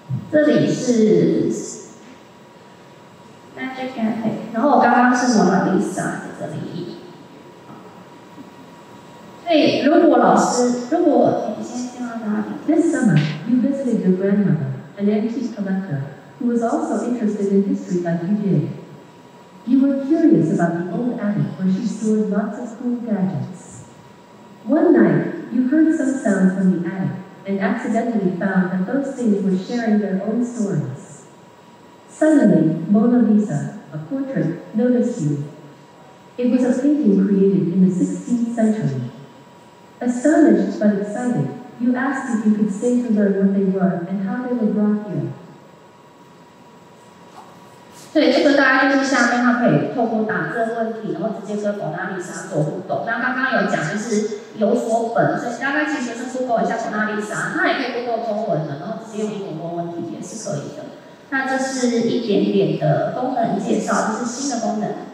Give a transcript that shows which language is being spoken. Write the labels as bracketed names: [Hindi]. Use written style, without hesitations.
[Chinese] 这里是 Magic Cafe， 然后我刚刚是蒙娜丽莎的这里。对，如果老师，如果你先听到哪里 [English] ？This summer, you visited your grandmother, an antiques collector, who was also interested in history like you did. You were curious about the old attic where she stored lots of school gadgets. One night, you heard some sounds from the attic and accidentally found that those things were sharing their own stories. Suddenly, Mona Lisa, a portrait, noticed you. It was a painting created in the 16th century. Astonished but excited, you asked if you could stay to learn what they were and how they were brought here. [Chinese] 对，这个大概就是下面他可以透过打字问题，然后直接跟蒙娜丽莎做互动。那刚刚有讲就是有所本，所以大概其实是 Google 一下蒙娜丽莎，那也可以 Google 中文的，然后直接用英文问问题也是可以的。那这是一点点的功能介绍，这是新的功能。